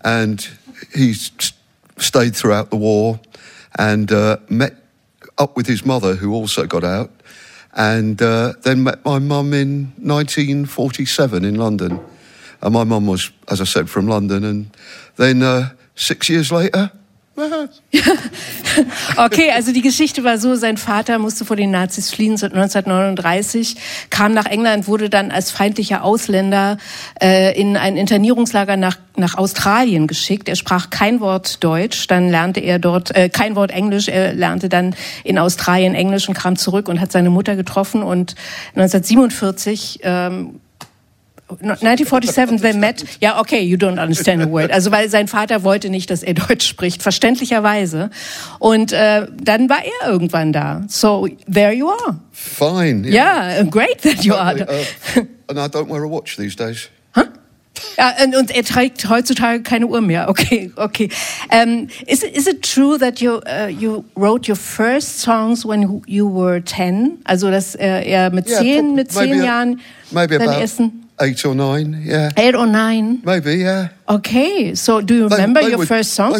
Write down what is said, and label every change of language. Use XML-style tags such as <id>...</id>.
<en>and he stayed throughout the war, and met up with his mother, who also got out, and then met my mum in 1947 in London. And my mum was, as I said, from London. And then 6 years later...</en> <de>Okay, also die Geschichte war so, sein Vater musste vor den Nazis fliehen, 1939, kam nach England, wurde dann als feindlicher Ausländer in ein Internierungslager nach Australien geschickt. Er sprach kein Wort Deutsch, dann lernte er dort kein Wort Englisch, er lernte dann in Australien Englisch und kam zurück und hat seine Mutter getroffen und 1947,</de> <en>they met. Yeah, okay, you don't understand a word.</en> <de>Also, weil sein Vater wollte nicht, dass er Deutsch spricht, verständlicherweise. Und dann war er irgendwann da.</de> <en>So, there you are. Fine. Yeah, great that you are. And I don't wear a watch these days.</en> <de>Ja, und er trägt heutzutage keine Uhr mehr.</de> <en>Okay. Is it true that you wrote your first songs when you were 10?</en> <de>Also, dass er mit 10 mit 10 Jahren seine ersten</de> <en>8 or 9, yeah. 8 or 9? Maybe, yeah. Okay, so do you remember your first songs?</en>